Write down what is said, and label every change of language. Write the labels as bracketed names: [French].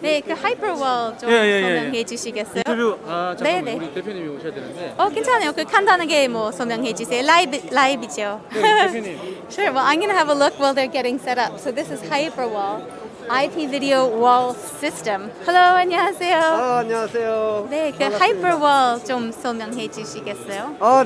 [Korean] 네, 그 하이퍼월 좀 설명해 주시겠어요? 인터뷰, 잠깐만, 우리 대표님이 오셔야 되는데. 괜찮아요. 그 간단하게 뭐 설명해 주세요. 라이브죠. 네, 대표님. [English] Sure, well, I'm going to have a look while they're getting set up. So this is Hyperwall, IP video wall system. Hello, [Korean] 안녕하세요. 안녕하세요. 네, 그 하이퍼월 좀 설명해 주시겠어요?